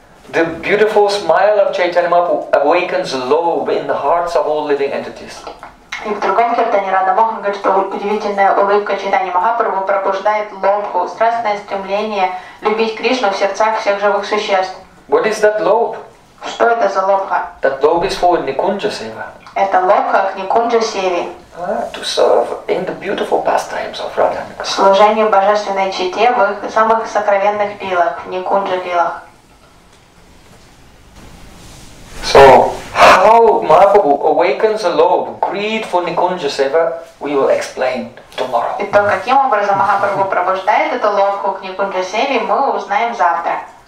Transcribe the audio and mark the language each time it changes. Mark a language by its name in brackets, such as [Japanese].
[English] The beautiful smile of Chaitanya Mahaprabhu awakens lobe in the hearts of all living entities. [Russian] И в другом киртане Радха Мохан говорит, что удивительная улыбка Чайтанья Махапрабху пробуждает лобху, страстное стремление любить Кришну в сердцах всех живых существ. [English] What is that lobe? [Russian] Что это за лобха? [English] That lobe is for Nikunja Seva. [Russian] Это лобха к Никунджа Севе. [English] To serve in the beautiful pastimes of Radha. [Russian] Служение божественной чите в их самых сокровенных лилах, в Никунджа лилах. [English] So, how Mahaprabhu awakens a lobe, greed for Nikunja Seva, we will explain tomorrow. [Russian] И то, каким образом Махапрабху пробуждает эту лобху к Никунджа Севе, мы узнаем завтра.